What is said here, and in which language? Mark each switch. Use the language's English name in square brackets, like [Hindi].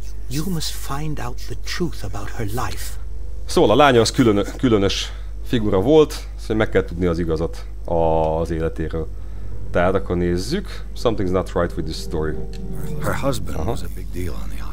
[English] You must find out the truth about her life. [Hungarian] Szóval a lánya az különös figura volt, szóval meg kell tudni az igazat az életéről. Tehát akkor nézzük. [English] Something's not right with this story. Her husband was a big deal on the island.